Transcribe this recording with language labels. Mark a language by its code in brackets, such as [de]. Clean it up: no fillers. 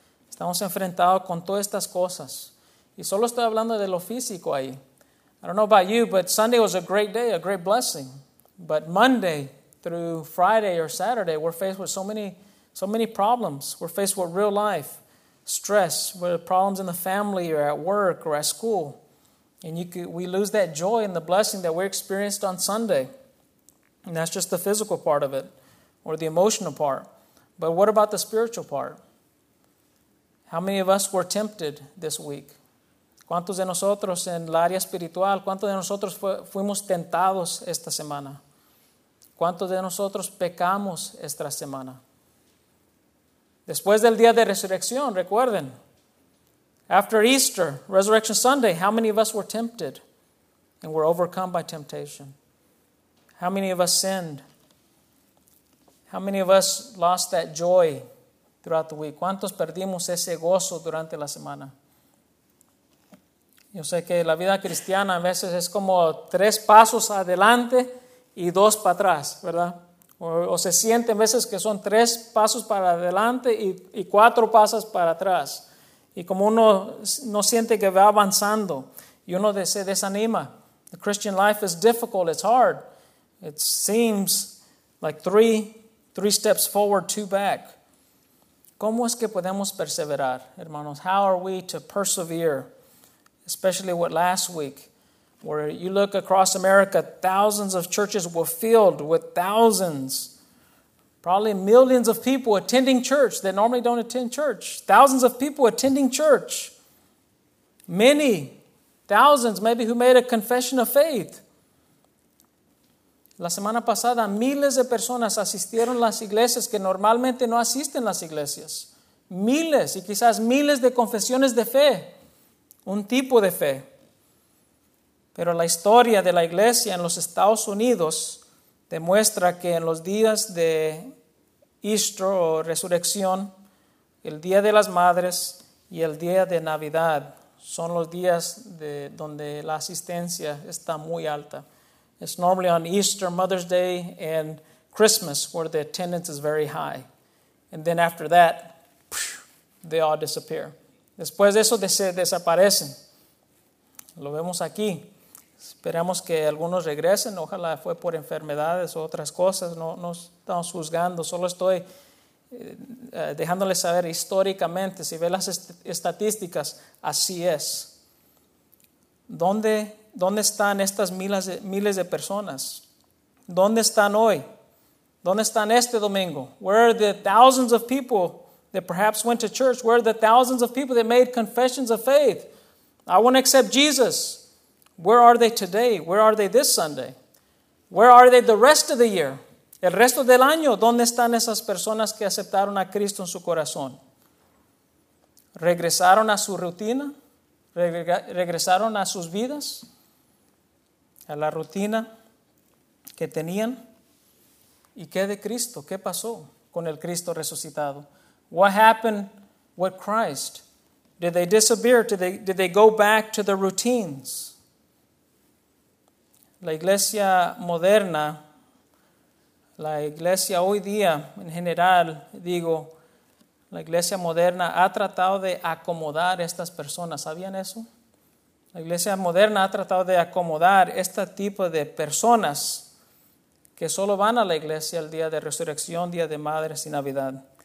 [es] Estamos enfrentados con todas estas cosas. Y solo estoy hablando de lo físico ahí. [en] I don't know about you, but Sunday was a great day, a great blessing. But Monday through Friday or Saturday, we're faced with so many problems. We're faced with real life, stress, with problems in the family or at work or at school. And we lose that joy and the blessing that we experienced on Sunday. And that's just the physical part of it or the emotional part. But what about the spiritual part? How many of us were tempted this week? [es] ¿Cuántos de nosotros en el área espiritual, cuántos de nosotros fuimos tentados esta semana? ¿Cuántos de nosotros pecamos esta semana? Después del día de resurrección, recuerden. [en] After Easter, Resurrection Sunday, how many of us were tempted and were overcome by temptation? How many of us sinned? How many of us lost that joy throughout the week? [es] ¿Cuántos perdimos ese gozo durante la semana? Yo sé que la vida cristiana a veces es como tres pasos adelante y dos para atrás, ¿verdad? O se siente a veces que son tres pasos para adelante y cuatro pasos para atrás. Y como uno no siente que va avanzando y uno se desanima. [en] The Christian life is difficult, it's hard. It seems like three steps forward, two back. [es] ¿Cómo es que podemos perseverar, hermanos? [en] How are we to persevere? Especially with last week, where you look across America, thousands of churches were filled with thousands, probably millions of people attending church that normally don't attend church. Thousands of people attending church. Many, thousands maybe who made a confession of faith. [es] La semana pasada, miles de personas asistieron a las iglesias que normalmente no asisten las iglesias. Miles y quizás miles de confesiones de fe. Un tipo de fe. Pero la historia de la iglesia en los Estados Unidos demuestra que en los días de Easter o Resurrección, el Día de las Madres y el Día de Navidad son los días donde la asistencia está muy alta. [en] It's normally on Easter, Mother's Day, and Christmas where the attendance is very high. And then after that, they all disappear. [es] Después de eso se desaparecen. Lo vemos aquí. Esperamos que algunos regresen. Ojalá fue por enfermedades o otras cosas. No estamos juzgando. Solo estoy dejándoles saber históricamente. Si ve las estadísticas, así es. ¿Dónde están estas miles de personas? ¿Dónde están hoy? ¿Dónde están este domingo? [en] Where are the thousands of people that perhaps went to church? Where are the thousands of people that made confessions of faith? I want to accept Jesus. Where are they today? Where are they this Sunday? Where are they the rest of the year? [es] El resto del año, ¿dónde están esas personas que aceptaron a Cristo en su corazón? ¿Regresaron a su rutina? ¿Regresaron a sus vidas? ¿A la rutina que tenían? ¿Y qué de Cristo? ¿Qué pasó? con el Cristo resucitado. [en] What happened with Christ? Did they disappear? Did they go back to their routines? [es] La iglesia moderna, la iglesia hoy día en general, digo, la iglesia moderna ha tratado de acomodar estas personas. ¿Sabían eso? La iglesia moderna ha tratado de acomodar este tipo de personas que solo van a la iglesia el día de resurrección, día de madres y Navidad.